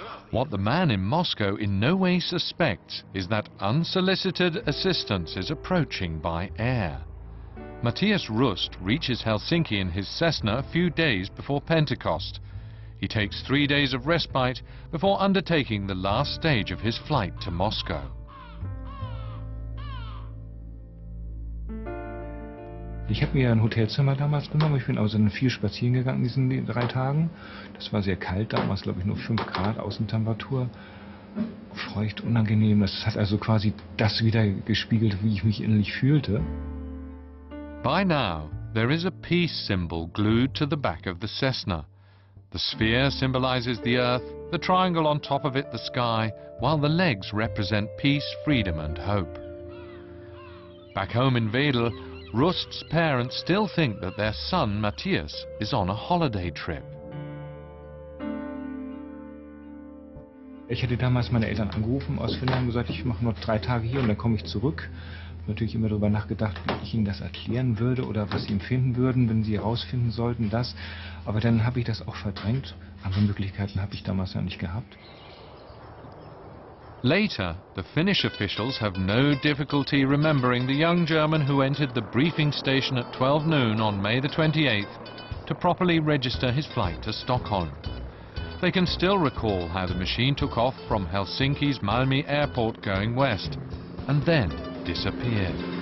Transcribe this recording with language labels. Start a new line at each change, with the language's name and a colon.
English: What the man in Moscow in no way suspects is that unsolicited assistance is approaching by air. Matthias Rust reaches Helsinki in his Cessna a few days before Pentecost. He takes 3 days of respite before undertaking the last stage of his flight to Moscow.
German: Ich habe mir ein Hotelzimmer damals genommen. Ich bin also viel spazieren gegangen in diesen 3 Tagen. Das war sehr kalt damals, glaube ich, nur 5 Grad Außentemperatur. Feucht, unangenehm. Das hat also quasi das wieder gespiegelt, wie ich mich innerlich fühlte.
English: By now, there is a peace symbol glued to the back of the Cessna. The sphere symbolizes the earth, the triangle on top of it the sky, while the legs represent peace, freedom and hope. Back home in Wedel, Rust's parents still think that their son, Matthias, is on a holiday trip.
German: Ich hatte damals meine Eltern angerufen aus Finnland und gesagt, ich mache nur 3 Tage hier und dann komme ich zurück. Natürlich immer darüber nachgedacht, wie ich ihnen das erklären würde oder was sie empfinden würden, wenn sie herausfinden sollten, das. Aber dann habe ich das auch verdrängt. Andere Möglichkeiten habe ich damals ja nicht gehabt.
English: Later, the Finnish officials have no difficulty remembering the young German who entered the briefing station at 12 noon on May the 28th to properly register his flight to Stockholm. They can still recall how the machine took off from Helsinki's Malmi airport going west and then disappeared.